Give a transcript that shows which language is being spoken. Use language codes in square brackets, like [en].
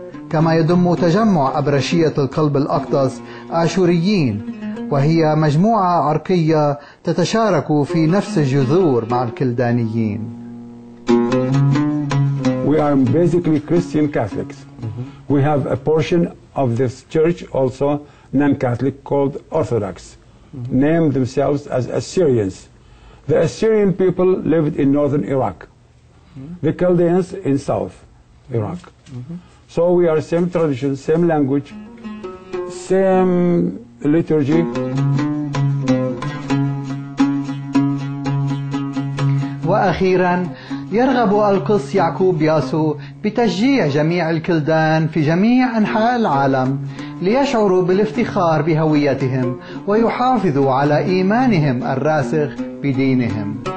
[ar] كما يضم تجمع أبرشية القلب الأقدس آشوريين، وهي مجموعة عرقية تتشارك في نفس الجذور مع الكلدانيين. [en] We are basically Christian Catholics. We have a portion of this church also non-Catholic called Orthodox, named themselves as Assyrians. The Assyrian people lived in northern Iraq, the Chaldeans in south Iraq. So we are same tradition, same language, same liturgy. [ar] وأخيرا يرغب القس يعقوب ياسو بتشجيع جميع الكلدان في جميع أنحاء العالم ليشعروا بالافتخار بهويتهم ويحافظوا على إيمانهم الراسخ بدينهم.